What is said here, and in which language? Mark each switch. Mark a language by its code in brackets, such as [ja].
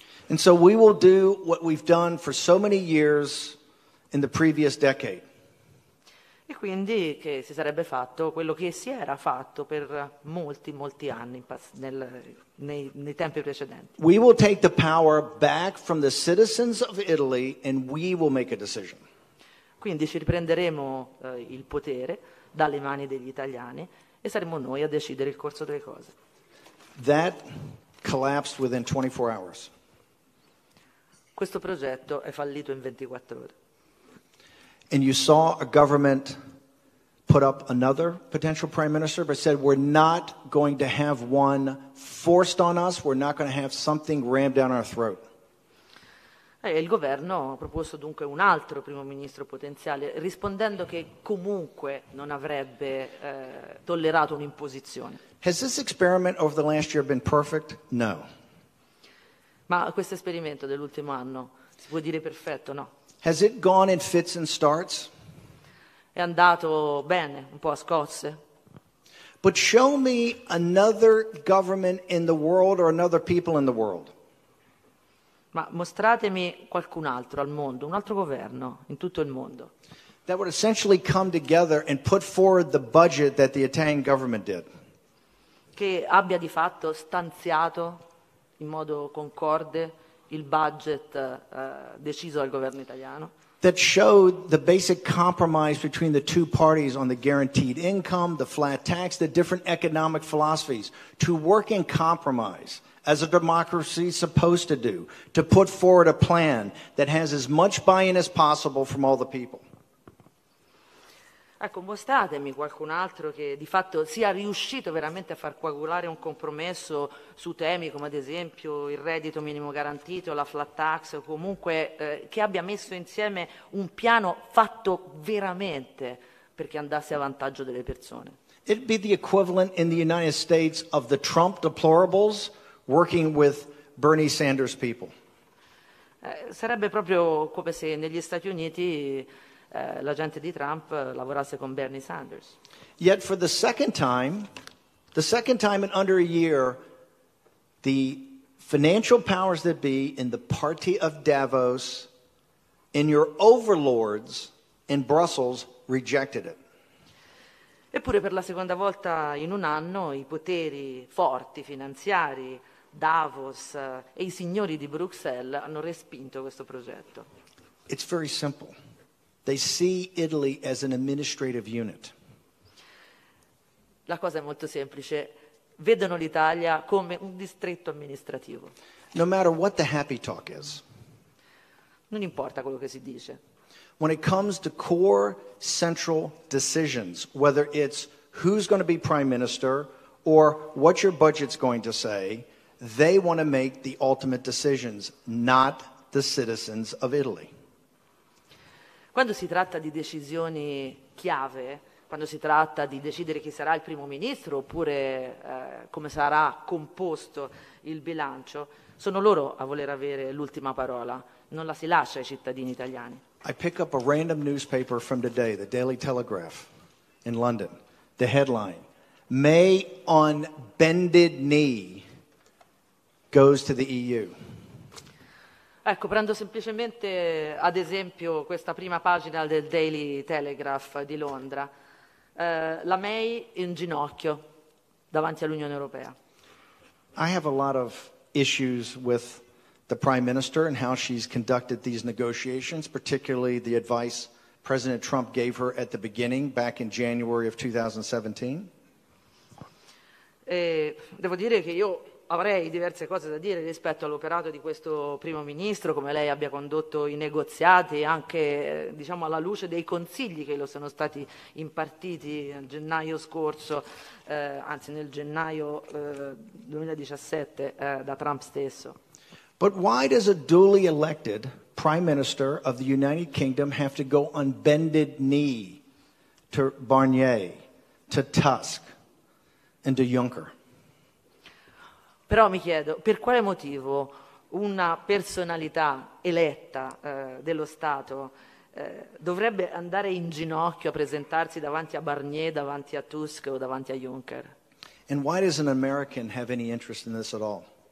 [en] And so we will do what we've done for so many years in the previous decade. [it] E quindi che si sarebbe fatto quello che si era fatto per molti molti anni nei tempi precedenti. [en] We will take the power back from the citizens of Italy and we will make a decision. [it] Quindi ci riprenderemo il potere dalle mani degli italiani e saremo noi a decidere il corso delle cose. [en] That collapsed within 24 hours. [it] Questo progetto è fallito in 24 ore. [en] And you saw a government put up another potential prime minister but said we're not going to have one forced on us, we're not going to have something rammed down our throat. [it] Il governo ha proposto dunque un altro primo ministro potenziale, rispondendo che comunque non avrebbe tollerato un'imposizione. [en] Has this experiment over the last year been perfect? No. [it] Ma questo esperimento dell'ultimo anno si può dire perfetto? No. [en] Has it gone in fits and starts? [it] È andato bene, un po' a scosse. [en] But show me another government in the world or another people in the world. [it] Ma mostratemi qualcun altro al mondo, un altro governo in tutto il mondo. [en] That would essentially come together and put forward the budget that the Italian government did. [it] Che abbia di fatto stanziato in modo concorde il budget deciso dal governo italiano. [en] That showed the basic compromise between the two parties on the guaranteed income, the flat tax, the different economic philosophies to work in compromise. As a democracy is supposed to do, to put forward a plan that has as much buy-in as possible from all the people. [it] Ecco, mostratemi qualcun altro che di fatto sia riuscito veramente a far coagulare un compromesso su temi come ad esempio il reddito minimo garantito, la flat tax, o comunque che abbia messo insieme un piano fatto veramente perché andasse a vantaggio delle persone. [en] It'd be the equivalent in the United States of the Trump deplorables working with Bernie Sanders people. [it] Sarebbe proprio come se negli Stati Uniti la gente di Trump lavorasse con Bernie Sanders. [en] Yet for the second time in under a year, the financial powers that be in the party of Davos, in your overlords in Brussels, rejected it. [it] Eppure per la seconda volta in un anno i poteri forti finanziari, Davos e i signori di Bruxelles hanno respinto questo progetto. [en] It's very simple. They see Italy as an administrative unit. [it] La cosa è molto semplice. Vedono l'Italia come un distretto amministrativo. [en] No matter what the happy talk is. [it] Non importa quello che si dice. [en] When it comes to core central decisions, whether it's who's going to be prime minister or what your budget's going to say, they want to make the ultimate decisions, not the citizens of Italy. [it] Quando si tratta di decisioni chiave, quando si tratta di decidere chi sarà il primo ministro oppure come sarà composto il bilancio, sono loro a voler avere l'ultima parola, non la si lascia ai cittadini italiani. [en] I pick up a random newspaper from today, the Daily Telegraph in London, the headline, May on bended knee goes to the EU. [it] Ecco, prendo semplicemente ad esempio questa prima pagina del Daily Telegraph di Londra, la May in ginocchio davanti all'Unione Europea. [en] I have a lot of issues with the Prime Minister and how she's conducted these negotiations, particularly the advice President Trump gave her at the beginning, back in January of 2017. [it] Devo dire che io avrei diverse cose da dire rispetto all'operato di questo primo ministro, come lei abbia condotto i negoziati, anche diciamo alla luce dei consigli che lo sono stati impartiti nel gennaio scorso, anzi nel gennaio 2017 da Trump stesso. [en] But why does a duly elected prime minister of the United Kingdom have to go on bended knee to Barnier, to Tusk, and to Juncker? [it] Però mi chiedo, per quale motivo una personalità eletta dello Stato dovrebbe andare in ginocchio a presentarsi davanti a Barnier, davanti a Tusk o davanti a Juncker? [en] And why does an American have any interest in this at all?